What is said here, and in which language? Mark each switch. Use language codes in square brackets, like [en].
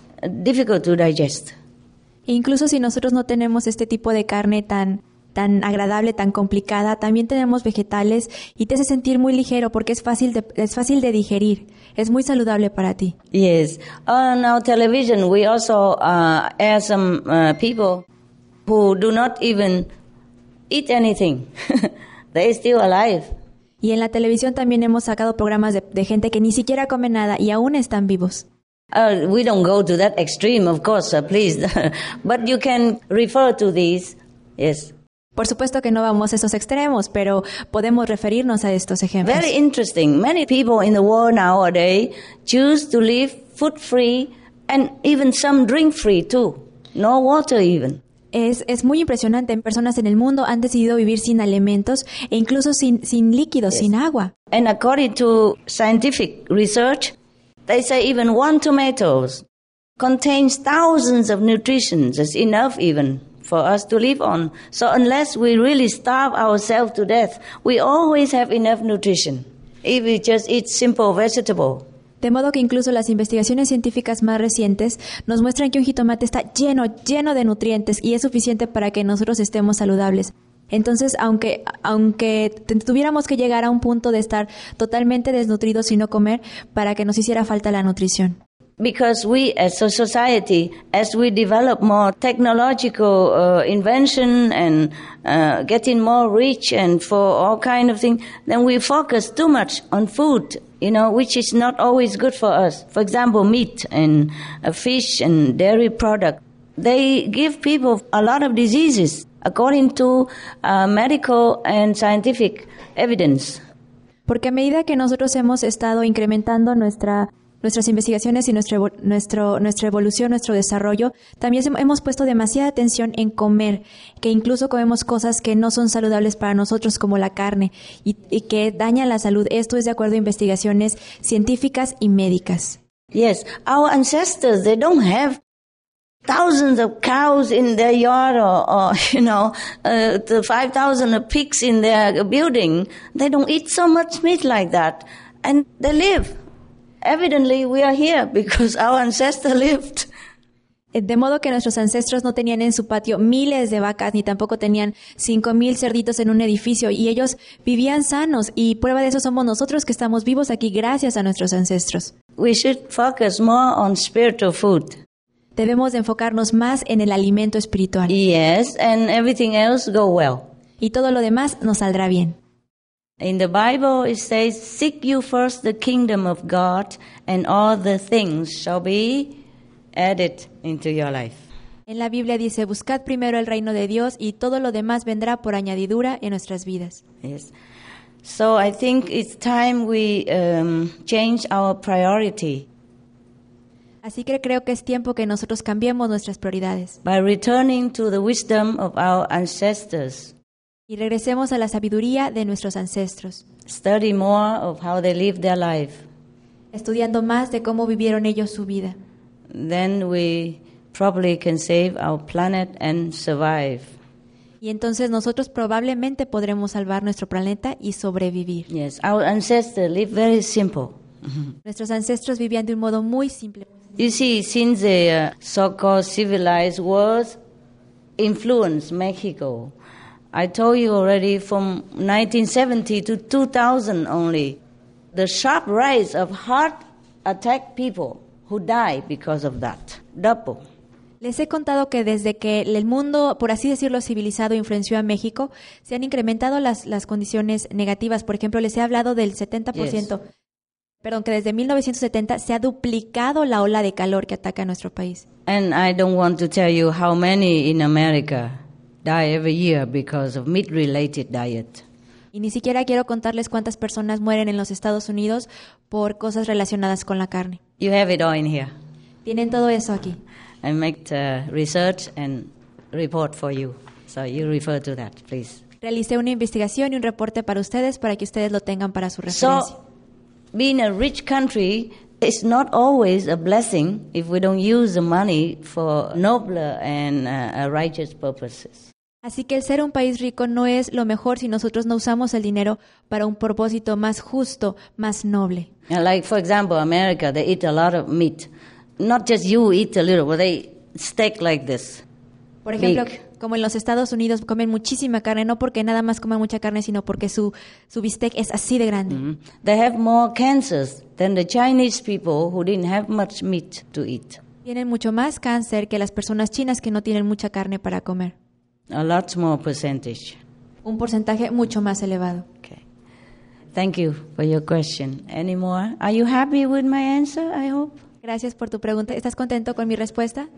[en] Difficult to digest. [es] Incluso si nosotros no tenemos este tipo de carne tan agradable, tan complicada, también tenemos vegetales y te hace sentir muy ligero porque es fácil de digerir. Es muy saludable para ti. [en] Yes. On our television, we also air some people who do not even eat anything. They're still alive. [es] Y en la televisión también hemos sacado programas de gente que ni siquiera come nada y aún están vivos. [en] We don't go to that extreme, of course, please. But you can refer to these, yes. [es] Por supuesto que no vamos a esos extremos, pero podemos referirnos a estos ejemplos. [en] Very interesting. Many people in the world nowadays choose to live food-free and even some drink-free too. No water even. [es] Es muy impresionante. Personas en el mundo han decidido vivir sin alimentos e incluso sin líquidos, [en] yes. [es] Sin agua. [en] And according to scientific research, they say even one tomato contains thousands of nutrition. That's enough even for us to live on. So unless we really starve ourselves to death, we always have enough nutrition if we just eat simple vegetable. [es] De modo que incluso las investigaciones científicas más recientes nos muestran que un jitomate está lleno de nutrientes y es suficiente para que nosotros estemos saludables. Entonces, aunque tuviéramos que llegar a un punto de estar totalmente desnutridos y no comer, para que nos hiciera falta la nutrición. [en] Because we as a society, as we develop more technological invention and getting more rich and for all kind of things, then we focus too much on food, you know, which is not always good for us. For example, meat and fish and dairy products. They give people a lot of diseases, according to medical and scientific evidence. [es] Porque a medida que nosotros hemos estado incrementando nuestras investigaciones y nuestra evolución, nuestro desarrollo, también hemos puesto demasiada atención en comer, que incluso comemos cosas que no son saludables para nosotros, como la carne, y que dañan la salud. Esto es de acuerdo a investigaciones científicas y médicas. [en] Yes, our ancestors, they don't have thousands of cows in their yard or 5,000 pigs in their building. They don't eat so much meat like that. And they live. Evidently, we are here because our ancestors lived. [es] De modo que nuestros ancestros no tenían en su patio miles de vacas, ni tampoco tenían 5,000 cerditos en un edificio, y ellos vivían sanos, y prueba de eso somos nosotros que estamos vivos aquí gracias a nuestros ancestros. [en] We should focus more on spiritual food. [es] Debemos de enfocarnos más en el alimento espiritual. [en] Yes, and everything else go well. [es] Y todo lo demás nos saldrá bien. [en] In the Bible it says, seek you first the kingdom of God, and all the things shall be added into your life. [es] En la Biblia dice, buscad primero el reino de Dios y todo lo demás vendrá por añadidura en nuestras vidas. [en] Yes. So I think it's time we change our priority. [es] Así que creo que es tiempo que nosotros cambiemos nuestras prioridades. [en] By returning to the wisdom of our ancestors. [es] Y regresemos a la sabiduría de nuestros ancestros. [en] Study more of how they lived their life. [es] Estudiando más de cómo vivieron ellos su vida. [en] Then we probably can save our planet and survive. [es] Y entonces nosotros probablemente podremos salvar nuestro planeta y sobrevivir. [en] Yes, our ancestors lived very simple. [es] Nuestros ancestros vivían de un modo muy simple. [en] You see, since the so-called civilized world influenced Mexico, I told you already from 1970 to 2000 only, the sharp rise of heart attack people who die because of that. Double. [es] Les he contado que desde que el mundo, por así decirlo, civilizado influenció a México, se han incrementado las condiciones negativas. Por ejemplo, les he hablado del 70%. [en] Yes. [es] Perdón, que desde 1970 se ha duplicado la ola de calor que ataca a nuestro país. [en] And I don't want to tell you how many in America die every year because of meat-related diet. [es] Y ni siquiera quiero contarles cuántas personas mueren en los Estados Unidos por cosas relacionadas con la carne. [en] You have it all in here. [es] Tienen todo eso aquí. [en] I make the research and report for you. So you refer to that, please. [es] Realicé una investigación y un reporte para ustedes para que ustedes lo tengan para su referencia. [en] So, being a rich country is not always a blessing if we don't use the money for nobler and righteous purposes. [es] Así que el ser un país rico no es lo mejor si nosotros no usamos el dinero para un propósito más justo, más noble. [en] Like, for example, America, they eat a lot of meat. Not just you eat a little, but they steak like this. [es] Por ejemplo, como en los Estados Unidos comen muchísima carne, no porque nada más comen mucha carne, sino porque su bistec es así de grande. Mm-hmm. [en] They have more cancers than the Chinese people who didn't have much meat to eat. [es] Tienen mucho más cáncer que las personas chinas que no tienen mucha carne para comer. [en] A lot more percentage. [es] Un porcentaje mucho más elevado. [en] Okay. Thank you for your question. Any more? Are you happy with my answer, I hope? [es] Gracias por tu pregunta. ¿Estás contento con mi respuesta?